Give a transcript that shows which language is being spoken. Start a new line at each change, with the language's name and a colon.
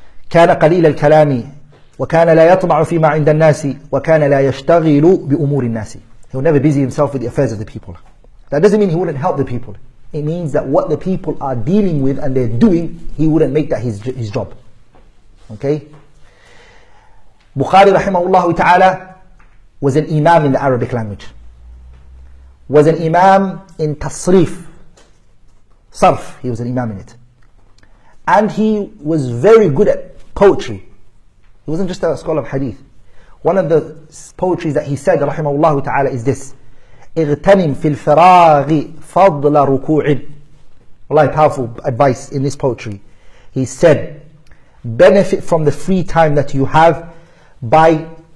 Arabic: كان قليل الكلام وكان لا يطمع فيما عند الناس وكان لا يشتغل بأمور الناس.
English: He will never busy himself with the affairs of the people. That doesn't mean he wouldn't help the people. It means that what the people are dealing with and they're doing, he wouldn't make that his job. Okay? Bukhari rahimahullah ta'ala was an imam in the Arabic language. Was an imam in tasrif, sarf, he was an imam in it. And he was very good at poetry. He wasn't just a scholar of hadith. One of the poetry that he said rahimahullah ta'ala is this.
Arabic: اغتنم في الفراغ فضل ركوع.
English: Wallahi, powerful advice in this poetry. He said, benefit from the free time that you have by coming with ruku', meaning praying salah. 2 minutes